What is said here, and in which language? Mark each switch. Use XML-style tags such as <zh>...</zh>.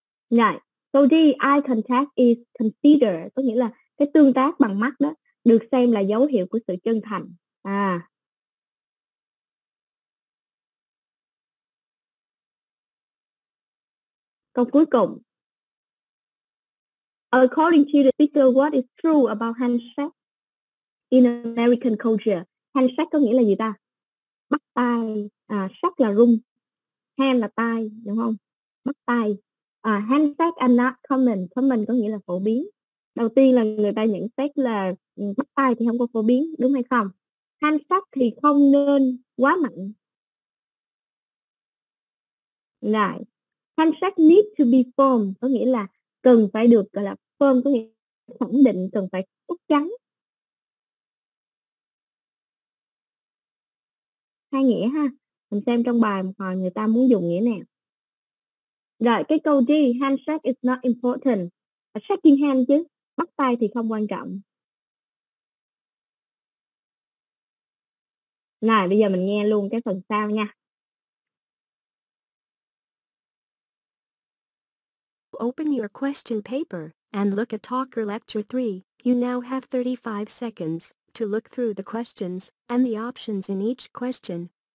<vi>Rồi, câu D,</vi> <en>eye contact is considered,</en> <vi>có nghĩa là cái tương tác bằng mắt đó được xem là dấu hiệu của sự chân thành. À, câu cuối cùng,</vi> <en>according to the speaker, what is true about handshake in American culture?</en> <vi>Handshake có nghĩa là gì ta? Bắt tay, shake là rung, hand là tay, đúng không? Bắt tay.</vi> <en>Handshake are not common.</en> <vi>Common có nghĩa là phổ biến. Đầu tiên là người ta nhận xét là bắt tay thì không có phổ biến, đúng hay không? Handshake thì không nên quá mạnh. Lại.</vi> <en>Handshake need to be firm,</en> <vi>có nghĩa là cần phải được gọi là firm, có nghĩa là khẳng định, cần phải chắc chắn. Hai nghĩa ha. Mình xem trong bài một hồi người ta muốn dùng nghĩa nào. Rồi, cái câu D,</vi> <en>handshake is not important. Shaking hand</en> <vi>chứ, bắt tay thì không quan trọng. Này, bây giờ mình nghe luôn cái phần sau nha.</vi> <en>Open your question paper and look at Talker Lecture 3. You now have 35 seconds to look through the questions and the options in each question.</en>